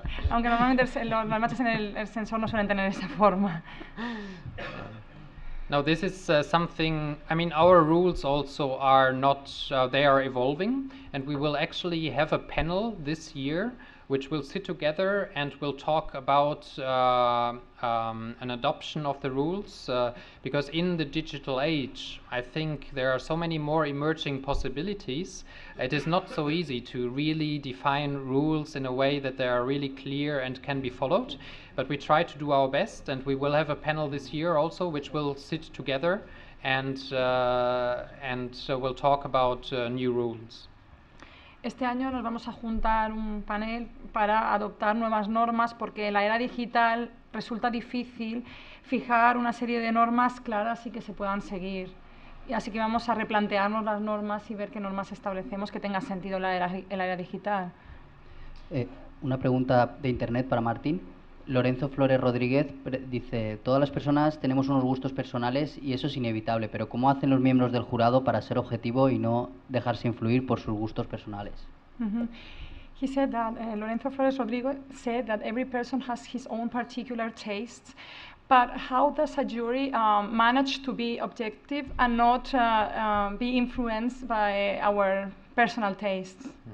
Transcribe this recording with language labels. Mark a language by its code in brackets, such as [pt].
[es] Aunque normalmente las manchas en el sensor no suelen tener esa forma. [en] No, this is something, I mean, our rules also are not, they are evolving, and we will actually have a panel this year which will sit together and will talk about an adoption of the rules, because in the digital age, I think there are so many more emerging possibilities. It is not so easy to really define rules in a way that they are really clear and can be followed, but we try to do our best, and we will have a panel this year also, which will sit together and we'll talk about new rules. [es] Este año nos vamos a juntar un panel para adoptar nuevas normas, porque en la era digital resulta difícil fijar una serie de normas claras y que se puedan seguir. Y así que vamos a replantearnos las normas y ver qué normas establecemos que tenga sentido en la era digital. Una pregunta de internet para Martín. Lorenzo Flores Rodríguez dice: todas las personas tenemos unos gustos personales y eso es inevitable, pero ¿cómo hacen los miembros del jurado para ser objetivo y no dejarse influir por sus gustos personales? [en] He said that Lorenzo Flores Rodríguez said that every person has his own particular tastes, but how does a jury manage to be objective and not be influenced by our personal tastes?